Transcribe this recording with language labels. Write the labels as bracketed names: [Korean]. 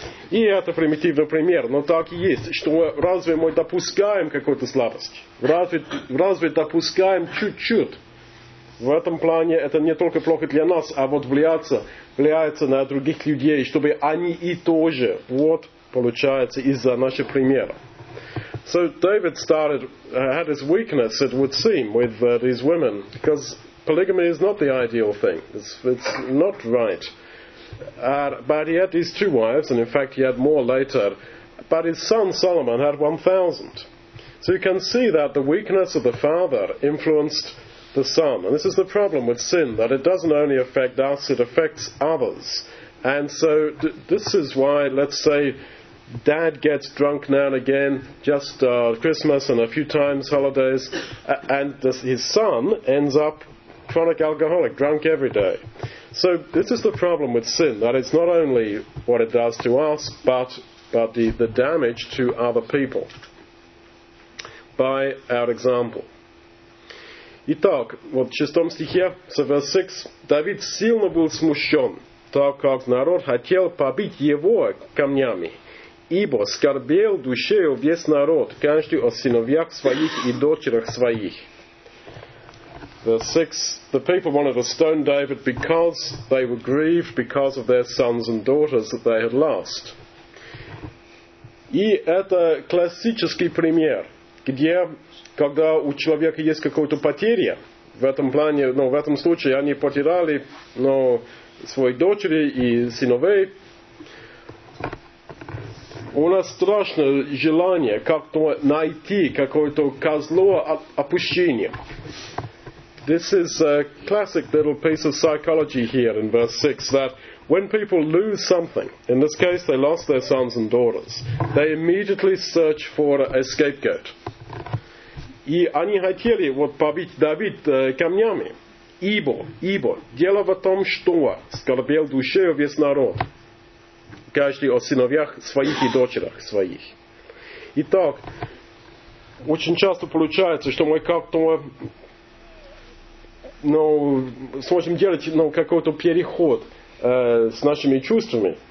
[Russian] И это примитивный пример, но так и есть, что разве мы допускаем какую-то слабость? Разве допускаем чуть-чуть? В этом плане это не только плохо для нас, а вот влияется на других людей, чтобы они и тоже, вот, получается, из-за нашего примера. [English] So David started, had his weakness, it would seem, with these women, because polygamy is not the ideal thing, it's not right. But he had these two wives, and in fact he had more later, but his son Solomon had 1,000. So you can see that the weakness of the father influenced the son. And this is the problem with sin, that it doesn't only affect us, it affects others. And so this is why, let's say, dad gets drunk now and again, just Christmas and a few times holidays, and his son ends up chronic alcoholic, drunk every day. So this is the problem with sin, that it's not only what it does to us, but the damage to other people by our example. [Russian] Итак, вот в 6 стихе, [English] verse 6, [Russian] Давид сильно был смущен, так как народ хотел побить его камнями, ибо скорбел душею весь народ, каждый о сыновьях своих и дочерях своих. [English] Verse 6, the people wanted to stone David because they were grieved because of their sons and daughters that they had lost. [Russian] И это классический пример, где... Когда у человека есть какая-то потеря, в этом плане, ну, в этом случае они потеряли, ну, свои дочери и сыновей, у нас страшное желание как-то найти какое-то козло отпущения. [English] This is a classic little piece of psychology here in verse 6, that when people lose something, in this case they lost their sons and daughters, they immediately search for a scapegoat. [Russian] И они хотели вот побить Давид камнями, ибо дело в том, что скорбел душею весь народ, каждый о сыновьях своих и дочерях своих. Итак, очень часто получается, что мы как-то, ну, сможем делать, ну, какой-то переход с нашими чувствами.